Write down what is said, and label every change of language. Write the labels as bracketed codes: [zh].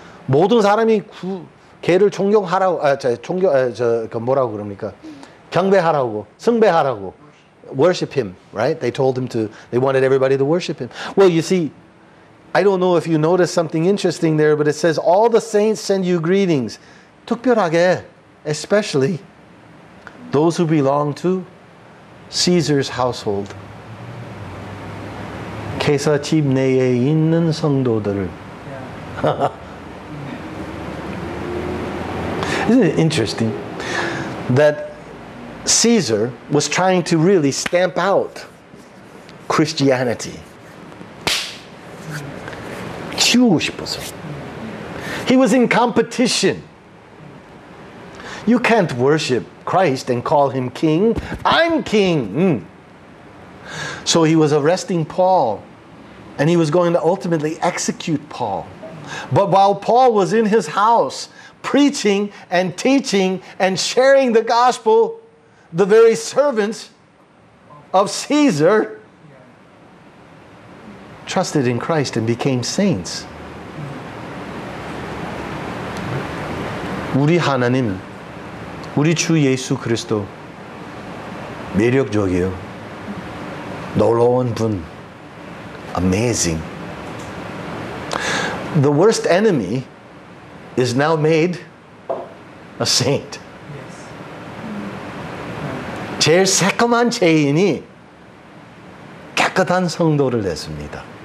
[ko] 모든 사람이 걔를 존경하라고, 뭐라고 그럽니까? 경배하라고, 승배하라고. [en] Worship him, right? They wanted everybody to worship him. Well, you see, I don't know if you noticed something interesting there, but it says, all the saints send you greetings. 특별하게, especially those who belong to Caesar's household. [ko] 케사 집 내에 있는 성도들을. [en] Isn't it interesting that Caesar was trying to really stamp out Christianity? [ko] 치우고 싶어서. [en] He was in competition. You can't worship Christ and call him king. I'm king. So he was arresting Paul, and he was going to ultimately execute Paul. But while Paul was in his house, preaching and teaching and sharing the gospel, the very servants of Caesar trusted in Christ and became saints. [ko] 우리 하나님, 우리 주 예수 그리스도 매력적이에요. 놀라운 분. [en] Amazing. The worst enemy is now made a saint. Yes. [ko] 제일 새까만 죄인이 깨끗한 성도를 냈습니다.